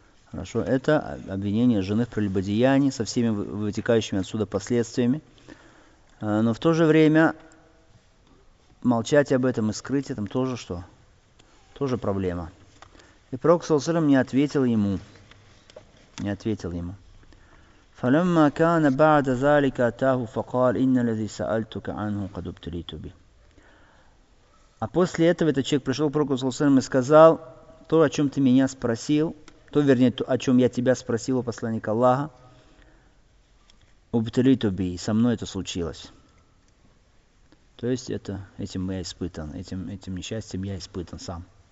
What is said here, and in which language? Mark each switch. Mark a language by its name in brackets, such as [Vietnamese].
[Russian] Хорошо, это обвинение жены в прелюбодеянии со всеми вытекающими отсюда последствиями. Но в то же время молчать об этом и скрыть это тоже что? Тоже проблема. И пророк саллаллаху алейхи вассалям не ответил ему. [Arabic] فلما كان بعد ذلك أتاه فقال إن الذي سألتك عنه قد ابتليت به. [Russian] А после этого этот человек пришел к пророку саллаллаху алейхи вассалям и сказал: то, о чем ты меня спросил, то, вернее, то, о чем я тебя спросил, у посланника Аллаха, [Arabic] ابتليت به, [Russian] со мной это случилось. То есть этим несчастьем я испытан сам.